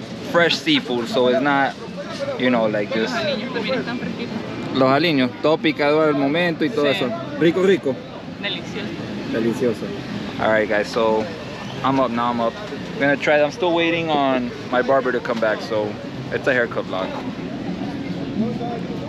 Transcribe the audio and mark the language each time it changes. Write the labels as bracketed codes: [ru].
[en] Fresh seafood, so it's not, you know, like this. [es] Los aliños también están fresquitos. Los aliños, todo picado al momento y todo sí. Eso. Rico, rico. Delicioso. Delicioso. [en] All right, guys, so I'm up now, I'm up. I'm gonna try, I'm still waiting on my barber to come back, so it's a haircut vlog.